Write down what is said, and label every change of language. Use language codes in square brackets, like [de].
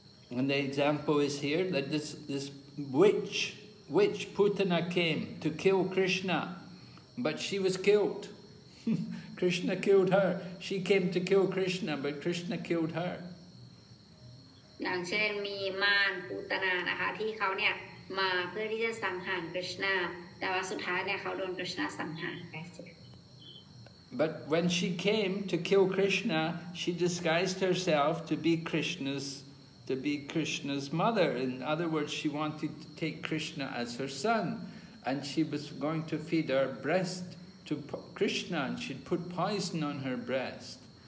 [en] And the example is here that this witch Putana came to kill Krishna but she was killed Krishna killed her she came to kill Krishna but Krishna killed her [th] อย่างเช่นมีมารปุตนานะคะที่เขาเนี่ยมาเพื่อที่จะสังหารคริชนาแต่ว่าสุดท้ายเนี่ยเขาโดนคริชนาสังหาร [en] But when she came to kill Krishna, she disguised herself to be Krishna's mother. In other words, she wanted to take Krishna as her son. And she was going to feed her breast to Krishna, and she'd put poison on her breast.